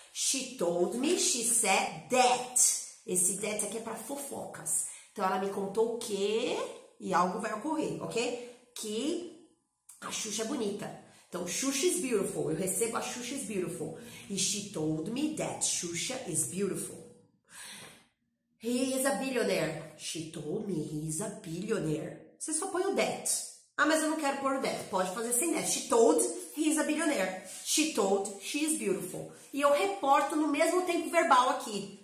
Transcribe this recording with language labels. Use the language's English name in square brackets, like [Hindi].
[English] She told me, she said that. [Portuguese] Esse that aqui é para fofocas. Então, ela me contou que... E algo vai ocorrer, ok? Que a Xuxa é bonita. Então, [English] Xuxa is beautiful. [Portuguese] Eu recebo a [English] Xuxa is beautiful. E she told me that Xuxa is beautiful. He is a billionaire. She told me he is a billionaire. [Portuguese] Você só põe o that. Ah, mas eu não quero pôr o that. Pode fazer sem that. [English] She told he is a billionaire. She told she is beautiful. [Portuguese] E eu reporto no mesmo tempo verbal aqui.